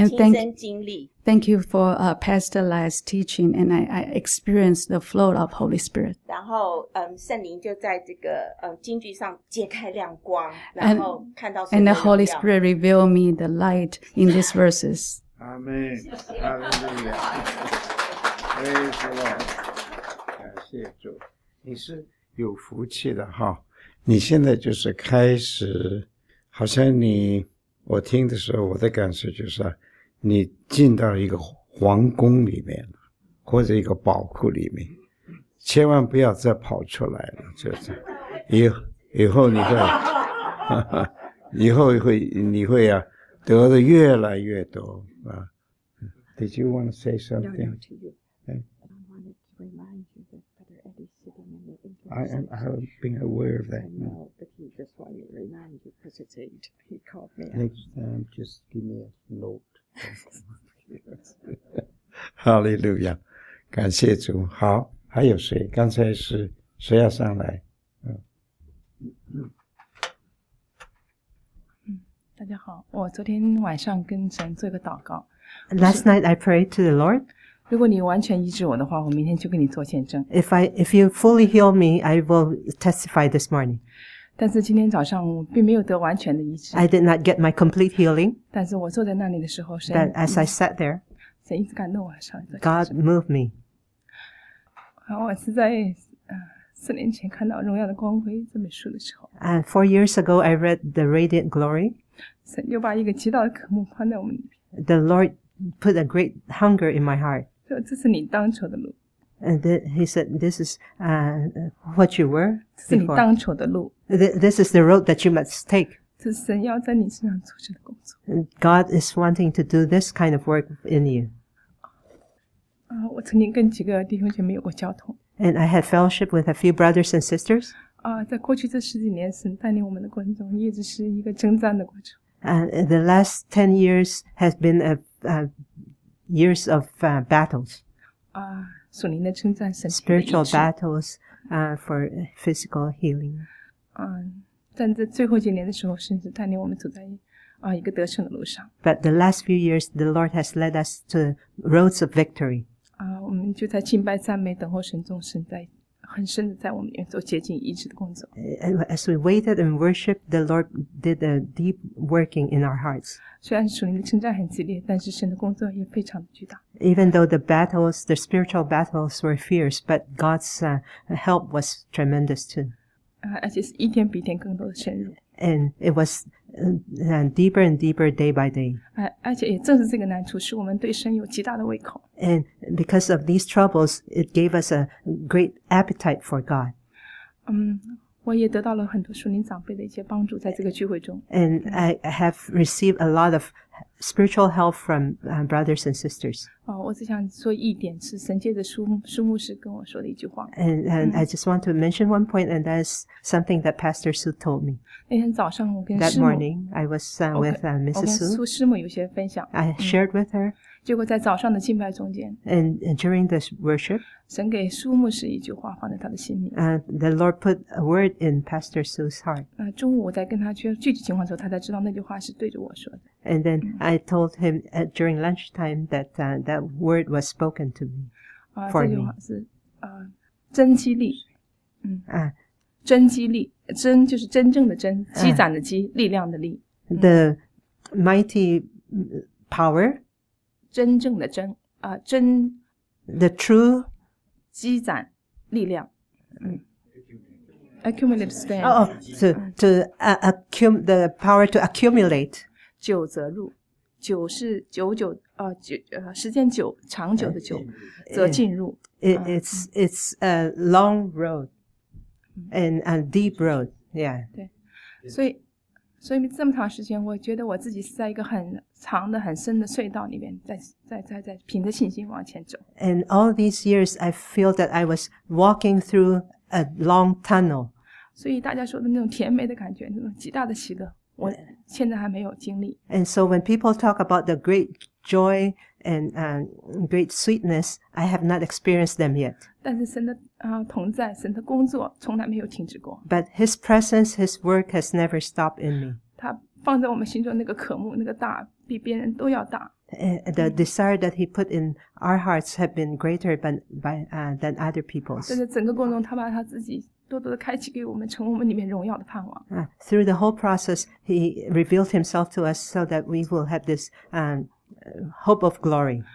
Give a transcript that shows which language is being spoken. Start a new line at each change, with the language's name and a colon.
English: and
Chinese: 亲身经历。
English: Thank you for Pastor Lai's teaching, and I experienced the flow of Holy Spirit.
Chinese: 然后，圣灵就在这个经句上揭开亮光，然后看到。
English: And the Holy Spirit revealed me the light in these verses. Amen. Hallelujah. Praise the Lord.
Chinese: 感谢主，你是有福气的哈。你现在就是开始，好像你，我听的时候，我的感受就是。你进到一个皇宫里面了，或者一个宝库里面，千万不要再跑出来了。就是以后你会，以后你会啊，得的越来越多啊。
English: Did you want to say something? No, no, to you. I wanted to remind you that Brother Eddie's sitting in the interest. I have been aware of that. No, but he just wanted to remind you because it's eight. He called me. Next time, just give me a note.
Chinese: 哈利路亚，感谢主。好，还有谁？刚才是谁要上来？大家好，我昨天晚上跟神做一个祷告。
English: Last night I prayed to the Lord.
Chinese: 如果你完全医治我的话，我明天就给你做见证。
English: If you fully heal me, I will testify this morning.
Chinese: 但是今天早上我并没有得完全的医治。
English: I did not get my complete healing.
Chinese: 但是我坐在那里的时候，神。
English: But as I sat there,
Chinese: 神一直感动我，上一次。
English: God moved me.
Chinese: 然后我是在四年前看到《荣耀的光辉》这本书的时候。
English: And 4 years ago, I read The Radiant Glory.
Chinese: 神又把一个极大的渴慕放在我们里面。
English: The Lord put a great hunger in my heart.
Chinese: 这是你当初的路。
English: And he said, this is, what you were.
Chinese: 这是你当走的路。
English: This is the road that you must take.
Chinese: 这是神要在你身上做这个工作。
English: God is wanting to do this kind of work in you.
Chinese: 我曾经跟几个弟兄姐妹有过交通。
English: And I had fellowship with a few brothers and sisters.
Chinese: 在过去这十几年神带领我们的过程中一直是一个征战的过程。
English: And the last 10 years has been years of battles. Spiritual battles, for physical healing.
Chinese: 但在最后几年的时候，神是带领我们走在一个得胜的路上。
English: But the last few years, the Lord has led us to roads of victory.
Chinese: 我们就在敬拜赞美等候神中，神在很深的在我们里面做洁净医治的工作。
English: As we waited and worshiped, the Lord did a deep working in our hearts.
Chinese: 虽然属灵的征战很激烈，但是神的工作也非常的巨大。
English: Even though the battles, the spiritual battles were fierce, but God's help was tremendous too.
Chinese: 而且是一天比一天更多的深入。
English: And it was deeper and deeper day by day.
Chinese: 而且也正是这个难处使我们对神有极大的胃口。
English: And because of these troubles, it gave us a great appetite for God.
Chinese: 我也得到了很多属灵长辈的一些帮助在这个聚会中。
English: And I have received a lot of spiritual help from brothers and sisters.
Chinese: 我只想说一点是神借着苏牧师跟我说的一句话。
English: And I just want to mention one point, and that is something that Pastor Su told me.
Chinese: 那天早上我跟师母
English: That morning, I was with Mrs. Su.
Chinese: 我跟苏师母有些分享。
English: I shared with her.
Chinese: 结果在早上的敬拜中间。
English: And during this worship,
Chinese: 神给苏牧师一句话放在他的心里。
English: The Lord put a word in Pastor Su's heart.
Chinese: 中午我在跟他去具体情况的时候，他才知道那句话是对着我说的。
English: And then I told him during lunchtime that that word was spoken to me, for me.
Chinese: 这句话是真激励，真激励，真就是真正的真，积攒的积，力量的力。
English: The mighty power.
Chinese: 真正的真啊真。
English: The true.
Chinese: 积攒力量。
English: Accumulate strength. Oh, to accumulate the power to accumulate.
Chinese: 久则入，久是久久时间久，长久的久，则进入。
English: It's a long road and a deep road, yeah.
Chinese: 对，所以这么长时间，我觉得我自己是在一个很长的、很深的隧道里面，在凭着信心往前走。
English: And all these years, I feel that I was walking through a long tunnel.
Chinese: 所以大家说的那种甜美的感觉，那种极大的喜乐。我现在还没有经历。
English: And so when people talk about the great joy and great sweetness, I have not experienced them yet.
Chinese: 但是神的同在，神的工作从来没有停止过。
English: But His presence, His work has never stopped in me.
Chinese: 他放在我们心中那个渴慕，那个大，比别人都要大。
English: The desire that He put in our hearts have been greater than other people's.
Chinese: 但是整个过程中，他把他自己。多多的开启给我们，成我们里面荣耀的盼望。
English: Through the whole process, He revealed Himself to us so that we will have this hope of glory.